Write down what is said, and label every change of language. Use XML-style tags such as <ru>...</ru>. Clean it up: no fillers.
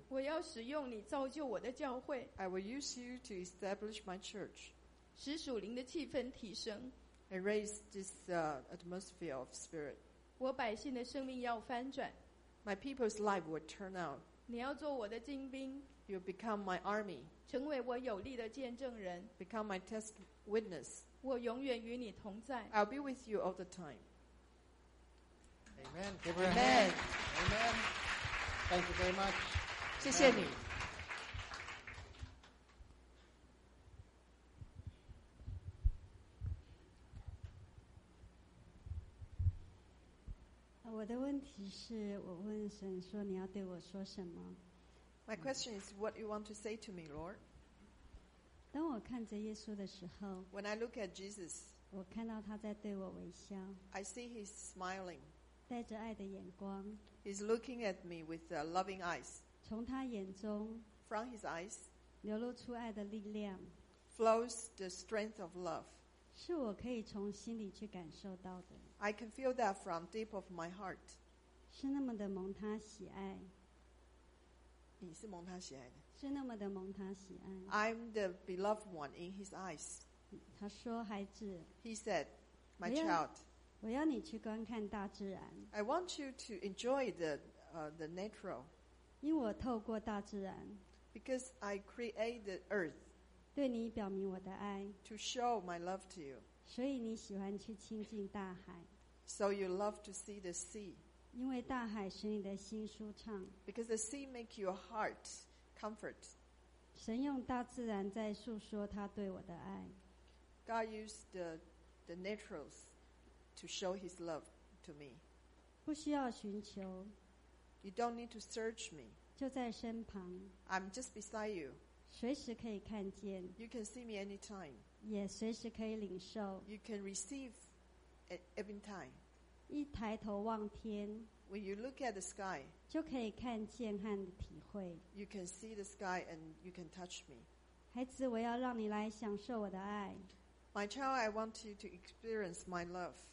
<zh>我要使用你造就我的教会。</zh> <en>I will use you to establish my church.</en> <zh>使属灵的气氛提升。</zh> <en>I raise this atmosphere of spirit.</en> <zh>我百姓的生命要翻转。</zh> <en>My people's life will turn out.</en> <zh>你要做我的精兵。</zh> <en>You become my army.</en> <zh>成为我有力的见证人。</zh> <en>Become my test witness.</en> <zh>我永远与你同在。</zh> <en>I'll be with you all the time. Amen. Give her a hand. Amen. Thank you very much.</en> <zh>谢谢你。我的问题是，我问神说你要对我说什么。</zh> <en>My question is what you want to say to me, Lord.</en> <zh>当我看着耶稣的时候</zh> <en>，When I look at Jesus，</en> <zh>我看到他在对我微笑。</zh> <en>I see he's smiling，</en> <zh>带着爱的眼光。</zh> <en>He's looking at me with loving eyes。</en> <zh>从他眼中</zh> <en>，From his eyes，</en> <zh>流露出爱的力量</zh> <en>，Flows the strength of love。</en> <zh>是我可以从心里去感受到的。</zh> <en>I can feel that from deep of my heart.</en> <zh>是那么的蒙他喜爱。你是蒙他喜爱的。是那么的蒙他喜爱。</zh> <en>I'm the beloved one in his eyes.</en> <zh>他说孩子。</zh> <en>He said, my child.</en> <zh>我要你去观看大自然。</zh> <en>I want you to enjoy the natural.</en> <zh>因为我透过大自然。</zh> <en>Because I create the earth.</en> <zh>对你表明我的爱</zh> <en>to show my love to you.</en> <zh>所以你喜欢去亲近大海</zh> <en>so you love to see the sea.</en> <zh>因为大海使你的心舒畅</zh> <en>because the sea makes your heart comfort.</en> <zh>神用大自然在诉说他对我的爱</zh> <en>God used the naturals to show his love to me.</en> <zh>不需要寻求</zh> <en>you don't need to search me.</en> <zh>就在身旁</zh> <en>I'm just beside you.</en> <zh>随时可以看见</zh> <en>You can see me anytime</en> <zh>也随时可以领受</zh> <en>You can receive at every time</en> <zh>一抬头望天</zh> <en>When you look at the sky</en> <zh>就可以看见和体会</zh> <en>You can see the sky and you can touch me</en> <zh>孩子我要让你来享受我的爱</zh> <en>My child I want you to experience my love</en>